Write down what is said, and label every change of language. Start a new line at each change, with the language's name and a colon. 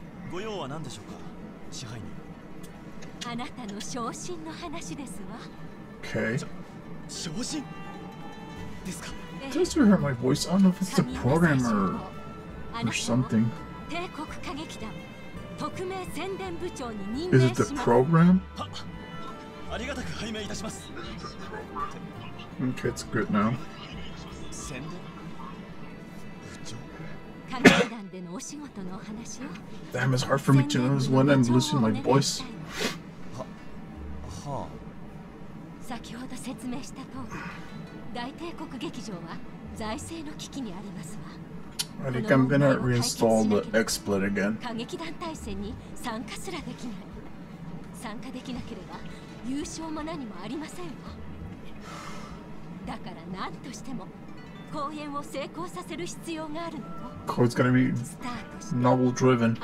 Japanese: ご用は何でしょうか、支配人。あなたの昇進の話ですわ。
English: Okay.
Japanese: 昇進ですか。
English: Does he hear my voice? I don't know if it's a programmer or something.
Japanese: 帝国歌劇団特命宣伝部長に任命します。
English: Is it the program?
Japanese: ありがたく拝命いたします。
English: Okay, it's good now.
Japanese: 宣伝部長。歌劇団でのお仕事のお話を。
English: Damn, it's hard for me to know when I'm losing my voice. はあ。
Japanese: 先ほど説明した通り、大帝国劇場は財政の危機にありますわ。
English: I think I'm gonna reinstall the XSplit again.
Japanese: 歌劇団対戦に参加すらできない。参加できなければ優勝も何もありませんわ。だから何としても公演を成功させる必要があるのよ。
English: Cold's gonna be novel driven.